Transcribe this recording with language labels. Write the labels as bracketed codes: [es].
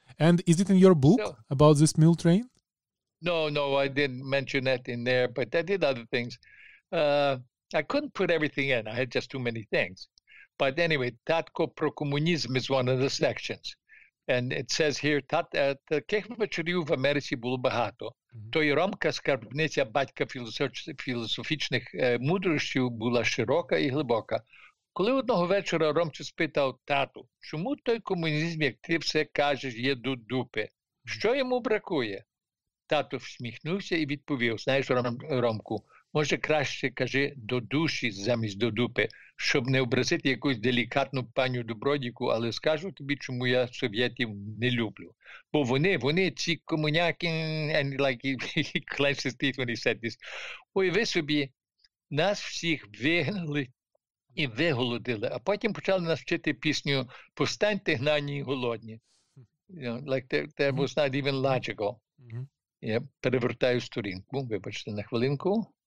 [en] And is it in your book about this mule train? No, I didn't mention that in there, but I did other things. I couldn't put everything in. I had just too many things. But anyway, Tatko pro komunizm is one of the sections. And it says here, [uk] таких вечорів в Америці було багато. Mm-hmm. То й Ромка, скарбниця батька філософічних мудрощів, була широка і глибока. Коли одного вечора Ромчо спитав тату, чому той комунізм, як ти все кажеш, є до дупи? Що йому бракує? Тато всміхнувся і відповів, знаєш, Ромку, може краще кажи до душі замість до дупи, щоб не образити якусь делікатну паню Добродіку, але скажу тобі, чому я совєтів не люблю. Бо вони ці комуняки, [en] and like he clenched his teeth when he said this. [uk] Ой, ви собі, нас всіх вигнали і виголодили, а потім почали нас вчити пісню «Повстаньте, гнані, голодні». [en] You know, like there was not even logical. Mm-hmm. [uk] Я перевертаю сторінку, вибачте, на хвилинку.